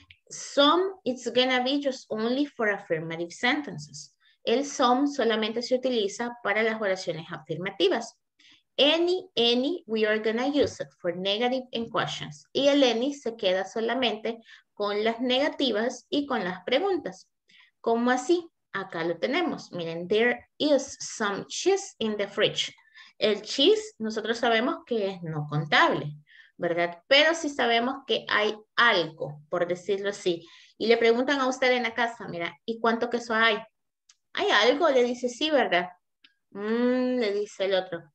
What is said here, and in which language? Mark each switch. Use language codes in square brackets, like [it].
[en] Some, it's gonna be just only for affirmative sentences. [es] El some solamente se utiliza para las oraciones afirmativas. [en] Any, we are gonna use it for negative and questions. [es] Y el any se queda solamente con las negativas y con las preguntas. ¿Cómo así? Acá lo tenemos. [en] Miren, there is some cheese in the fridge. [es] El cheese, nosotros sabemos que es no contable, ¿verdad? Pero sí sabemos que hay algo, por decirlo así. Y le preguntan a usted en la casa, mira, ¿y cuánto queso hay? ¿Hay algo? Le dice, sí, ¿verdad? Le dice el otro.